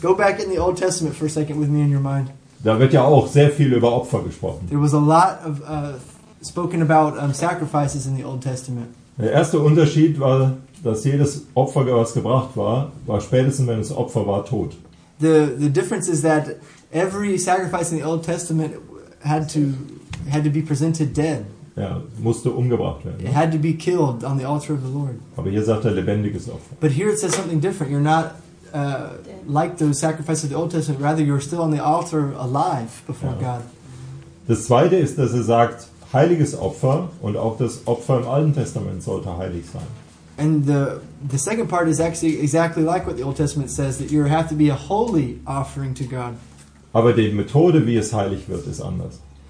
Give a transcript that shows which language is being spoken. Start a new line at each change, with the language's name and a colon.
English: Go back in the Old Testament for a second with me in your mind.
German: Da wird ja auch sehr viel über Opfer gesprochen.
English: There was a lot of spoken about sacrifices in the Old Testament.
German: Der erste Unterschied war, dass jedes Opfer, was gebracht war, war spätestens, wenn es Opfer war, tot.
English: The difference is that every sacrifice in the Old Testament had to be presented dead.
German: Ja, musste umgebracht werden.
English: It had to be killed on the altar of the Lord.
German: Aber hier sagt er lebendiges Opfer.
English: But here it says something different. You're not like those sacrifices of the Old Testament. Rather, you're still on the altar alive before God.
German: Das zweite ist, dass er sagt, heiliges Opfer, und auch das Opfer im Alten Testament sollte heilig sein.
English: And the second part is actually exactly like what the Old Testament says, that you have to be a holy offering to God.
German: Aber die Methode, wie es heilig wird, ist anders.